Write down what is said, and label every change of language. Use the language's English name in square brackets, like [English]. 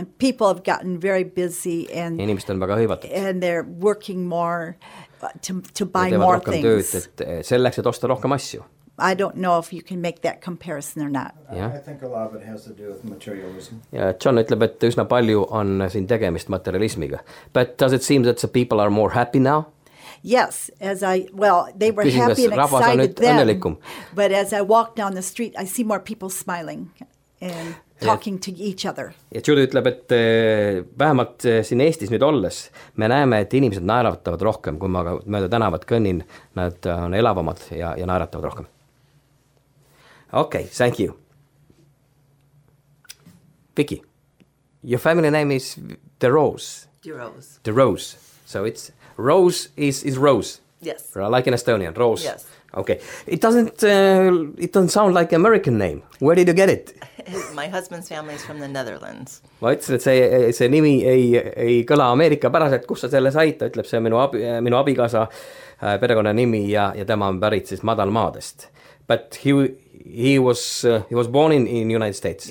[English] And people have gotten very busy and [Estonian] inimesed on väga hõivatud. [English] And they're working more to buy more things. [Estonian] Tööd, et selleks, et osta rohkem asju. [English] I don't know if you can make that comparison or not. Yeah. I think a lot of it has to do with materialism. [Estonian] Yeah, John ütleb, et üsna palju on siin tegemist materialismiga. [English] But does it seem that the people are more happy now? Yes, they were [Estonian] küsimus, [English] happy and excited then. [Estonian] Õnnelikum. [English] But as I walk down the street, I see more people smiling and talking to each other. [Estonian] Ja Judy ütleb, et vähemalt siin Eestis nüüd olles, me näeme, et inimesed naeratavad rohkem, kui ma mööda tänavad kõnnin, nad on elavamad ja naeratavad rohkem. [English] Okay, thank you. Vicky, your family name is DeRose. DeRose. DeRose. So it's Rose is Rose. Yes. Like in Estonian, Rose. Yes. Okay. It doesn't sound like an American name. Where did you get it? My husband's family is from the Netherlands. [Estonian] Ma ütlesin, et see nimi ei kõla Ameerika päraselt, kus sa selle saita, ütleb see minu abikaasa perekonna nimi ja tema on pärit siis Madalmaadest. [English] But he was born in United States.